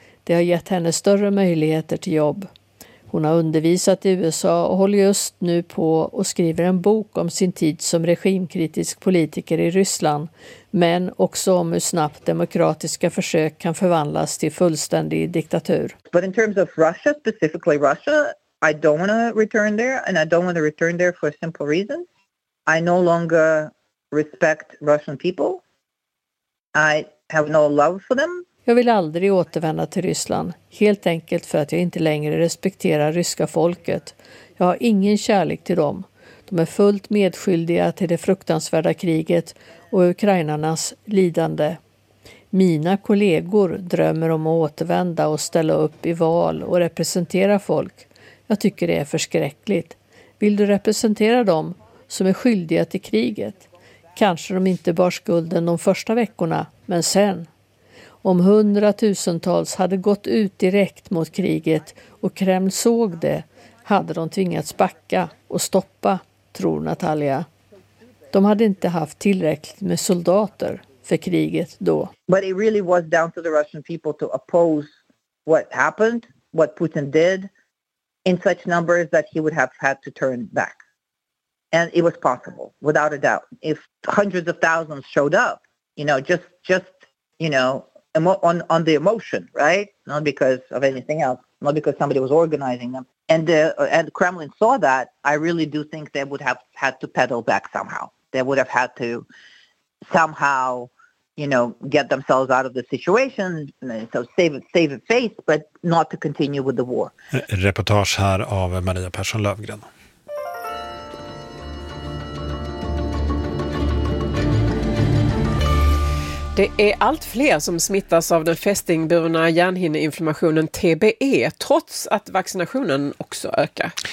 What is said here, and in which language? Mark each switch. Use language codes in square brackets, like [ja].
[sv] Det har gett henne större möjligheter till jobb. Hon har undervisat i USA och håller just nu på och skriver en bok om sin tid som regimkritisk politiker i Ryssland, men också om hur snabbt demokratiska försök kan förvandlas till fullständig diktatur. [en] But in terms of Russia, specifically Russia, I don't want to return there and I don't want to return there for a simple reason. I no longer respect Russian people. I have no love for them. [sv] Jag vill aldrig återvända till Ryssland, helt enkelt för att jag inte längre respekterar ryska folket. Jag har ingen kärlek till dem. De är fullt medskyldiga till det fruktansvärda kriget och ukrainarnas lidande. Mina kollegor drömmer om att återvända och ställa upp i val och representera folk. Jag tycker det är förskräckligt. Vill du representera dem som är skyldiga till kriget? Kanske de inte bar skulden de första veckorna, men sen... Om hundratusentals hade gått ut direkt mot kriget och Kreml såg det hade de tvingats backa och stoppa, tror Natalia. De hade inte haft tillräckligt med soldater för kriget då. [en] But it really was down to the Russian people to oppose what happened, what Putin did in such numbers that he would have had to turn back. And it was possible, without a doubt. If hundreds of thousands showed up, you know, just you know, on the emotion, right? Not because of anything else, not because somebody was organizing them. And Kremlin saw that, I really do think they would have had to pedal back somehow. They would have had to somehow you know, get themselves out of the situation, so save face, but not to continue with the war. [sv] Reportage här av Maria Persson Löfgren. Det är allt fler som smittas av den fästingburna hjärnhinneinflammationen TBE, trots att vaccinationen också ökar.